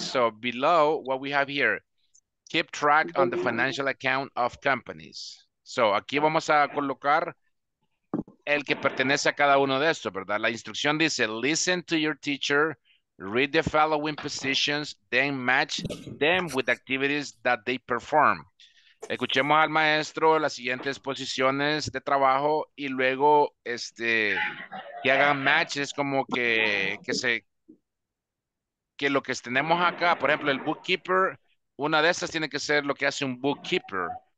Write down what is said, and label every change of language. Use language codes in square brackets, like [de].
[en] So below what we have here, keep track on the financial account of companies. [es] So aquí vamos a colocar el que pertenece a cada uno de estos, ¿verdad? La instrucción dice, [en] listen to your teacher, read the following positions, then match them with activities that they perform. [es] Escuchemos al maestro las siguientes posiciones de trabajo y luego que hagan matches como que lo que tenemos acá, por ejemplo, el bookkeeper, una de estas tiene que ser lo que hace un bookkeeper.